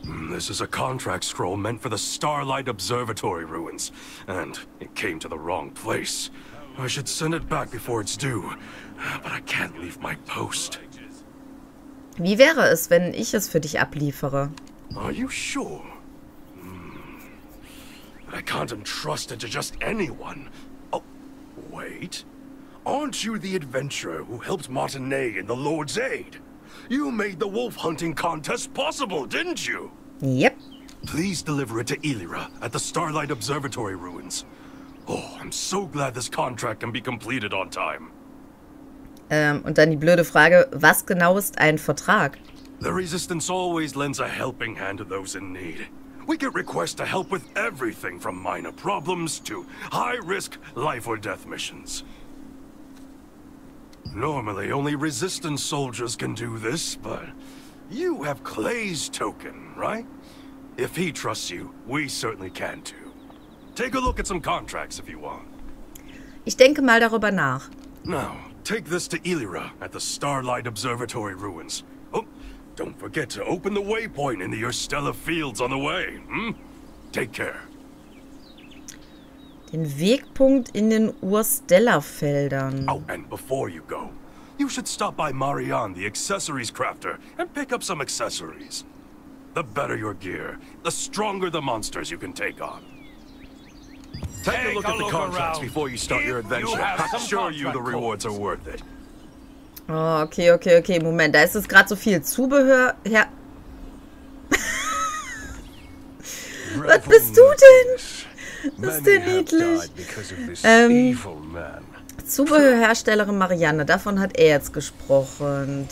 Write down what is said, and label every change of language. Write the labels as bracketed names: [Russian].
[English] This is a contract scroll meant for the Starlight Observatory ruins, and it came to the wrong place. I should send it back before it's due, but I can't leave my post. [German] Wie wäre es, wenn ich es für dich abliefere? [English] Are you sure? I can't entrust it to just anyone. Oh, wait. Aren't you the adventurer who helped Martinet in the Lord's Aid? You made the wolf hunting contest possible, didn't you? Yep. Please deliver it to Elira at the Starlight Observatory ruins. Oh, I'm so glad this contract can be completed on time. [German] Und dann die blöde Frage, was genau ist ein Vertrag? [English] The Resistance always lends a helping hand to those in need. We get requests to help with everything from minor problems to high-risk life or death missions. Normally, only Resistance soldiers can do this, but you have Clay's token, right? If he trusts you, we certainly can too. Take a look at some contracts if you want. [German] Ich denke mal darüber nach. [English] Now, take this to Elira at the Starlight Observatory ruins. Oh, don't forget to open the waypoint in the Urstella fields on the way, hm? Take care. [German] Den Wegpunkt in den Urstella-Feldern. [English] Oh, and before you go, you should stop by Marianne, the accessories crafter, and pick up some accessories. The better your gear, the stronger the monsters you can take on. Take a look at the contracts before you start your adventure. I'm sure you the rewards are worth it. Oh, okay. [German] Moment, da ist es gerade so viel Zubehör. Ja. Was bist du denn? Das ist der niedlich. Zubehörherstellerin Marianne, davon hat er jetzt gesprochen.